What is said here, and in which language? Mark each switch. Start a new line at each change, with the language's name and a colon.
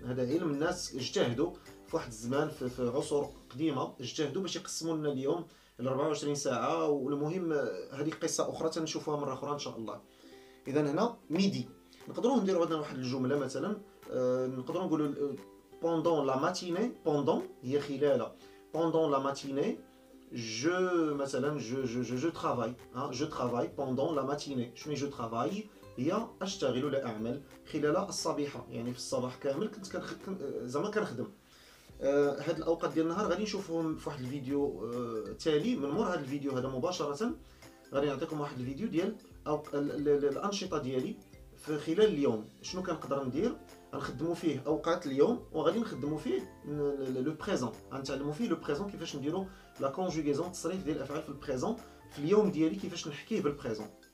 Arabic: هذا علم الناس اجتهدوا في واحد الزمان في عصور قديمه، اجتهدوا باش يقسموا لنا اليوم ال 24 ساعه. والمهم هذه قصه اخرى تنشوفوها مره اخرى ان شاء الله. اذا هنا ميدي نقدروا نديروا عندنا واحد الجمله مثلا، نقدروا نقولوا
French: pendant la matinée. pendant
Arabic: هي خلال،
French: pendant la matinée je مثلا je travaille. je travaille pendant la matinée.
Arabic: شنو هي
French: je travaille؟
Arabic: هي اشتغل ولا اعمل. خلال الصبيحه يعني في الصباح كامل كنت زعما كنخدم. هاد الاوقات ديال النهار غادي نشوفهم في واحد الفيديو تالي من مور هاد الفيديو هذا مباشره. غادي نعطيكم واحد الفيديو ديال الانشطه ديالي في خلال اليوم، شنو كنقدر ندير، نخدموا فيه اوقات اليوم، وغادي نخدموا فيه لو بريزون، غنتعلموا فيه لو بريزون كيفاش نديروا لا كونجوغيزون، تصريف ديال الافعال في البريزون في اليوم ديالي، كيفاش نحكيه بالبريزون.